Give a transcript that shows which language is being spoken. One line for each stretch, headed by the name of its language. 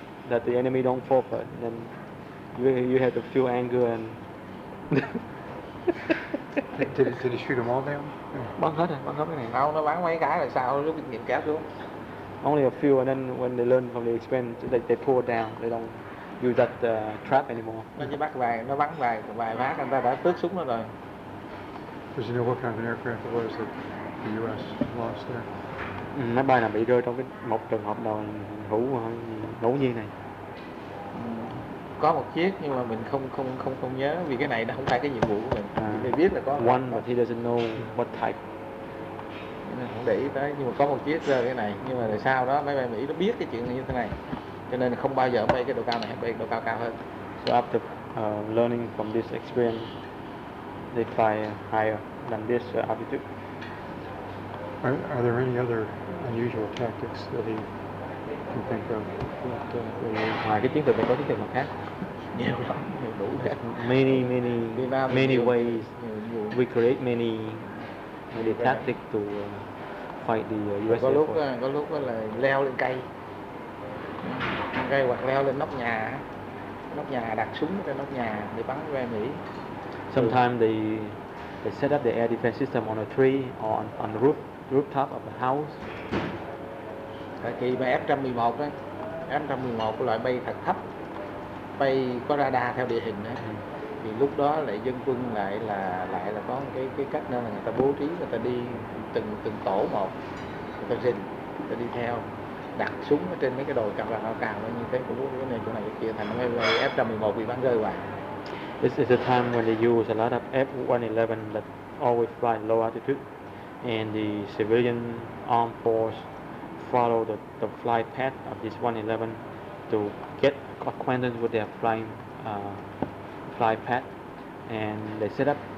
English: That the enemy don't fall for it, then you have to feel anger and. did he shoot them all down?
Vietnamese: Bắn hết rồi, bắn hết cái này. Không, nó bắn mấy cái rồi sao lúc kinh nghiệm kéo xuống.
English: Only a few, and then when they learn from the experience, they pull it down. They don't use that trap anymore.
Vietnamese: Nó bắn vài phát, anh ta đã tước súng nó rồi.
English: Does he know what kind of aircraft it was that the U.S. lost there?
Vietnamese: Máy bay nào bị rơi trong cái một trường hợp đầu ngẫu nhiên này? Có một chiếc nhưng mà mình không nhớ vì cái này nó không phải cái nhiệm vụ của mình. Mình biết là có
English: one but he doesn't know what type.
Vietnamese: Không để ý tới, nhưng mà có một chiếc rơi cái này, nhưng mà rồi sau đó máy bay Mỹ nó biết cái chuyện như thế này, cho nên không bao giờ bay cái độ cao này, bay độ cao cao hơn.
English: So after learning from this experience, they fly higher than this altitude. Are there any other unusual tactics that he can think of?
Vietnamese: Ngoài cái chiến thuật này có chiến thuật nào khác? Nhiều lắm, nhiều đủ hết.
English: Many ways we create many tactics to fight the U.S.
Vietnamese: Có lúc là leo lên cây, hoặc leo lên nóc nhà đặt súng trên nóc nhà để bắn về Mỹ.
English: Sometimes they set up the air defense system on a tree or on the roof. Rooftop of the house.
Vietnamese: Tại kỳ mà F-111 đó, F-111 loại bay thật thấp, bay có radar theo địa hình đó, thì lúc đó lại dân quân lại là có cái cách nữa là người ta bố trí, người ta đi từng tổ một, người ta rình, người ta đi theo, đặt súng ở trên mấy cái đồi cao cao cao nó như thế, của lúc cái này chỗ này cái kia thành mấy cái F-111 bị bắn rơi hoài.
English: This is the time when they use a lot of F-111 that always fly low altitude. And the civilian armed force follow the flight path of this 111 to get acquainted with their flying flight path, and they set up